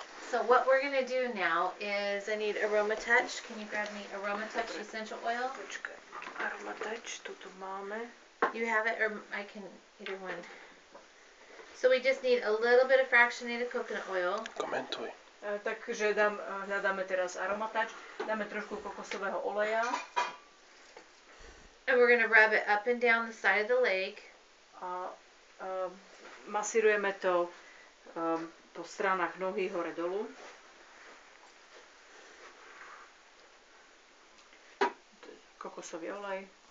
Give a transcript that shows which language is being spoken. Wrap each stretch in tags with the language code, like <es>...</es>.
<en>So what we're going to do now is I need aroma touch. Can you grab me aroma touch essential oil?</en> <sk>Aroma touch, tu máme.</sk> <en>You have it or I can either one. So we just need a little bit of fractionated coconut oil.</en> <sk>Komentuj. Takže dám, hľadáme teraz aromatač, dáme trošku kokosového oleja.</sk> <en>And we're going to rub it up and down the side of the leg.</en> <sk>Masírujeme to po stranách nohy hore dolu. Kokosový olej.</sk>